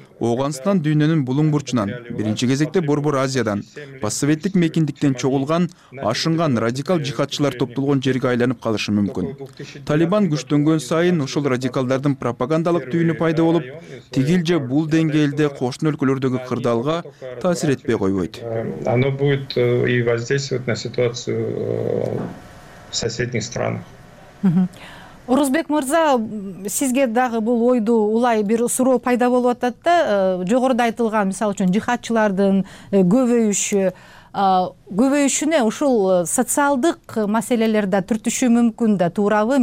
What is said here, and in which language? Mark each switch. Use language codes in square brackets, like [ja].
[ky] Ооганстан дүйнөнүн булуңбурчунан, биринчи кезекте Борбор Азиядан, постсоветтик мекиндиктен чогулган, ашынган радикал жихатчылар топтолгон жерге айланып калышы мүмкүн. Талибан күчтөнгөн сайын ушул радикалдардын пропагандалык түйүнү пайда болуп, тигил же бул деңгээлде кошуна өлкөлөрдөгү кырдаалга таасир этпей койбойт. [ru] Оно будет и воздействовать на ситуацию в соседних странах. [ky] Орозбек мырза, сизге дагы бул ойду улай бир суроо пайда болуп атат да, жогоруда айтылган мисалы үчүн жихатчылардын көбөйүшү, көбөйүшүнө ушул социалдык маселелер да түртүшү мүмкүн да, туурабы?